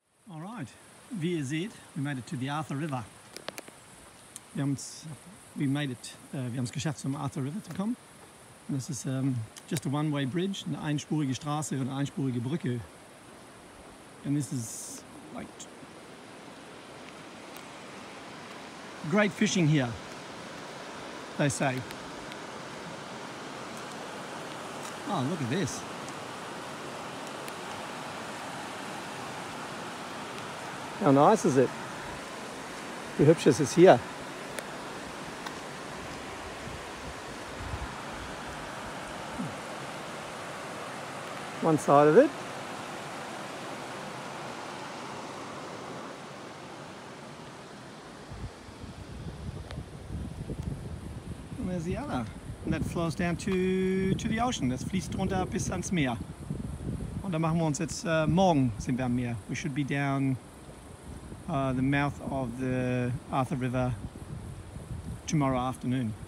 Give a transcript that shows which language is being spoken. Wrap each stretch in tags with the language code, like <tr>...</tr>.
<en>All right.</en> <de>Wie ihr seht,</de> <en>we made it to the Arthur River.</en> <de>Wir haben es geschafft, zum Arthur River zu kommen. Und das ist</de> <en>just a one-way bridge,</en> <de>eine einspurige Straße und eine einspurige Brücke.</de> <en>And this is like great fishing here, they say. Oh, look at this. How nice is it?</en> <de>Wie hübsch ist es hier?</de> <en>One side of it. There's the other, and that flows down to the ocean.</en> <de>Das fließt runter bis ans Meer. Und da machen wir uns jetzt morgen sind wir am Meer.</de> <en>We should be down the mouth of the Arthur River tomorrow afternoon.</en>